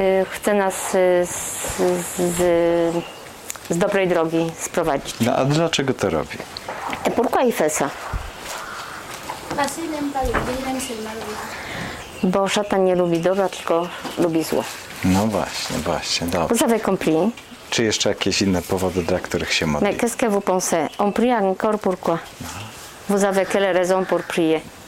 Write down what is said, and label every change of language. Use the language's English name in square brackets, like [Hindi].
[Polish] Chce nas z dobrej drogi sprowadzić. No a dlaczego to robi? [French] Pourquoi il fait ça? Parce qu'il aime pas le bien, il aime seulement le mal. [Polish] Bo szatan nie lubi dobra, tylko lubi zło. No właśnie, właśnie, dobrze. [French] Vous avez compris? [Polish] Czy jeszcze jakieś inne powody, dla których się modli? [French] Mais qu'est-ce que vous pensez? On prie encore pourquoi? Vous avez quelle raison pour prier?